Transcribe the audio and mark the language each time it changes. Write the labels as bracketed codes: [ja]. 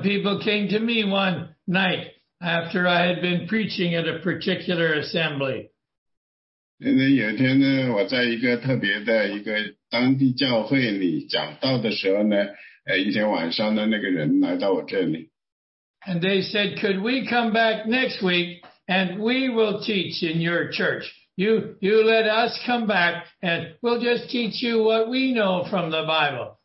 [en] people came to me one night after I had been preaching at a particular assembly. [zh] 有一天呢，我在一个特别的一个当地教会里讲道的时候呢，一天晚上的那个人来到我这里。 [en] And they said, "Could we come back next week and we will teach in your church? You let us come back and we'll just teach you what we know from the Bible.